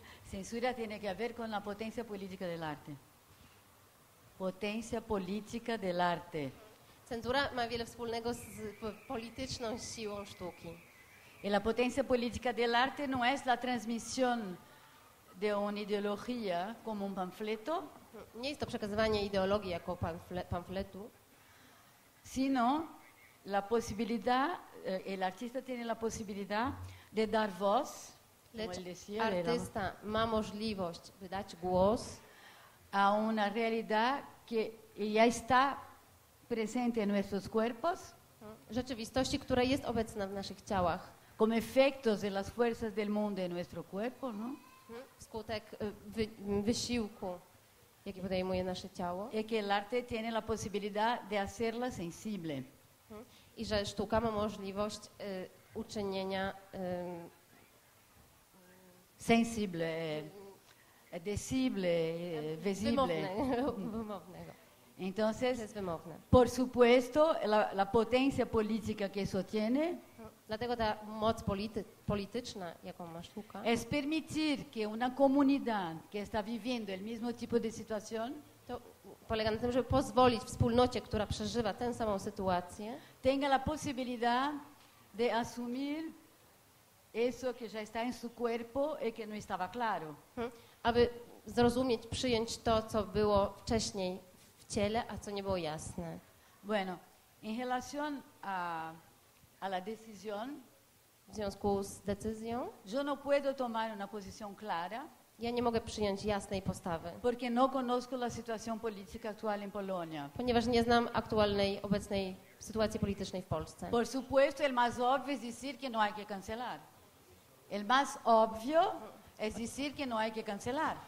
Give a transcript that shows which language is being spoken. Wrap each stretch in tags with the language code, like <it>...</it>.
<es>Censura tiene que ver con la potencia política del arte. Potencia política del arte.</es> <pl>Censura ma wiele wspólnego z polityczną siłą sztuki.</pl> <es>Y la potencia política del arte no es la transmisión de una ideología como un panfleto.</es> <pl>Nie jest to przekazywanie ideologii jako panfletu.</pl> <es>Sino la posibilidad, el artista tiene la posibilidad de dar voz.</es> <pl>Lecz artysta ma możliwość wydać głos</pl> <es>a una realidad que ya está presente en nuestros cuerpos,</es> <pl>rzeczywistości, która jest obecna w naszych ciałach,</pl> <es>como efectos de las fuerzas del mundo en nuestro cuerpo, no?</es> <pl>Wskutek wysiłku, jaki podejmuje nasze ciało.</pl> <es>Y que el arte tiene la posibilidad de hacerla sensible.</es> <pl>I że sztuka ma możliwość uczynienia</pl> <es>sensible, decible, visible.</es> <pl>Wymownego.</pl> <es>Entonces,</es> <pl>jest wymowne.</pl> <es>Por supuesto, la potencia política que eso tiene,</es> <pl>dlatego ta moc polityczna, jaką ma sztuka,</pl> <es>es permitir que una comunidad que está viviendo el mismo tipo de situación,</es> <pl>to polega na tym, żeby pozwolić wspólnocie, która przeżywa tę samą sytuację,</pl> <es>tenga la posibilidad de asumir eso que ya está en su cuerpo y que no estaba claro.</es> <pl>Aby zrozumieć, przyjąć to, co było wcześniej w ciele, a co nie było jasne.</pl> <es>Bueno, en relación a la decisión,</es> <pl>w związku z decyzją,</pl> <es>yo no puedo tomar una posición clara,</es> <pl>ja nie mogę przyjąć jasnej postawy,</pl> <es>porque no conozco la situación política actual en Polonia,</es> <pl>ponieważ nie znam aktualnej, obecnej sytuacji politycznej w Polsce.</pl> <es>Por supuesto, el más obvio es decir que no hay que cancelar. El más obvio es decir que no hay que cancelar.</es>